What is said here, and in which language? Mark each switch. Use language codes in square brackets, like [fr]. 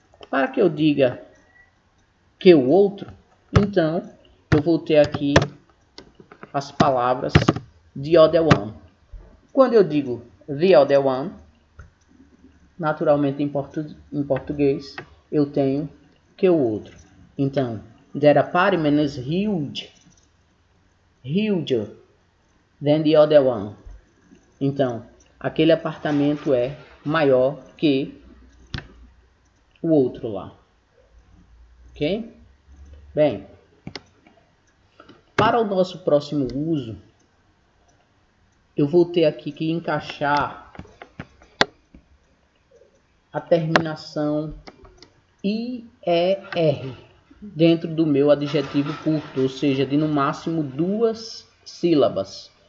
[pt] Para que eu diga que o outro, então eu vou ter aqui as palavras [en] the other one. [pt] Quando eu digo [en] the other one, [pt] naturalmente em português, eu tenho que o outro. Então, [en] that apartment is huge, huger than the other one. [pt] Então, aquele apartamento é maior que o outro lá. Ok? Bem, para o nosso próximo uso, eu vou ter aqui que encaixar a terminação IER dentro do meu adjetivo curto, ou seja, de no máximo duas sílabas.